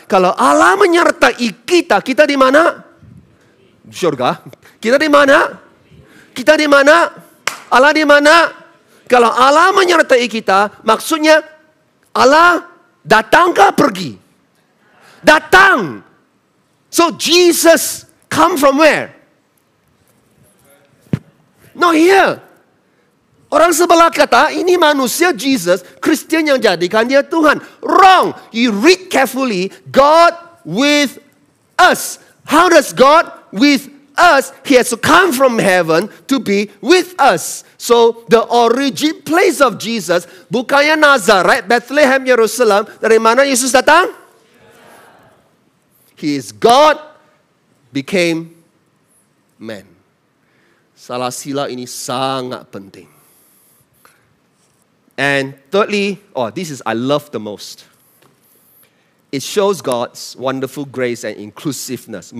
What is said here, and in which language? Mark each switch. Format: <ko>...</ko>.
<ms>Kalau Allah menyertai kita, kita di mana? Syurga. Kita di mana? Kita di mana? Allah di mana? Kalau Allah menyertai kita, maksudnya Allah datang ke pergi? Datang.</ms> <en>So Jesus come from where? Not here.</en> <ms>Orang sebelah kata, ini manusia Jesus, Kristian yang jadikan dia Tuhan.</ms> <en>Wrong. You read carefully, God with us. How does God with us? He has to come from heaven to be with us. So the origin place of Jesus, bukannya Nazareth, Bethlehem, Yerusalem.</en> <ms>Dari mana Yesus datang?</ms> <en>He is God, became man.</en> <ms>Salah sila ini sangat penting.</ms> <en>And thirdly, oh, this is I love the most. It shows God's wonderful grace and inclusiveness.</en>